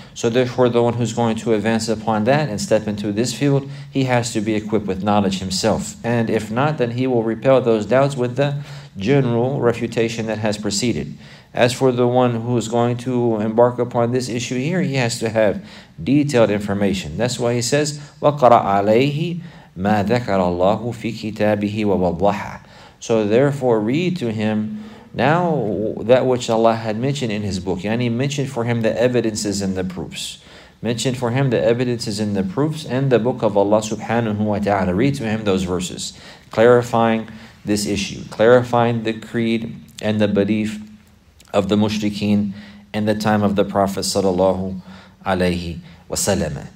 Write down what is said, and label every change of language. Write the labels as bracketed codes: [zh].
[en] So therefore, the one who's going to advance upon that and step into this field, he has to be equipped with knowledge himself. And if not, then he will repel those doubts with the general refutation that has preceded. As for the one who's going to embark upon this issue here, he has to have detailed information. That's why he says, [ar] وَقَرَ عَلَيْهِ مَا ذَكَرَ اللَّهُ فِي كِتَابِهِ وَوَضَّحَ. [en] So therefore, read to him now that which Allah had mentioned in his book. Yani mentioned for him the evidences and the proofs. Mentioned for him the evidences and the proofs and the book of Allah subhanahu wa ta'ala. Read to him those verses, clarifying this issue, clarifying the creed and the belief of the mushrikeen in the time of the Prophet sallallahu alayhi wa sallam.